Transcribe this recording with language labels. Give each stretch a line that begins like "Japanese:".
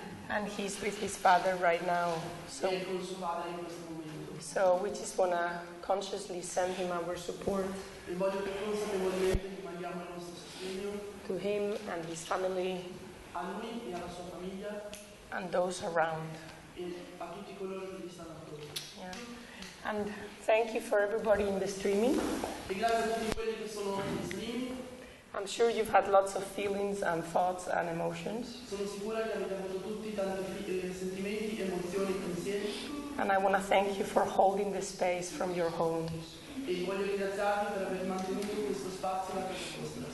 English: And he's with his father right now, so we just want to consciously send him our support to him and his family and those around. Yeah. And thank you for everybody in the streaming. I'm sure you've had lots of feelings and thoughts and emotions.
Italian: Sono sicura che avete avuto tutti tanti sentimenti, emozioni e pensieri.
English: And I want to thank you for holding the space from your home.
Italian: E voglio ringraziarvi per aver mantenuto questo spazio a casa vostra.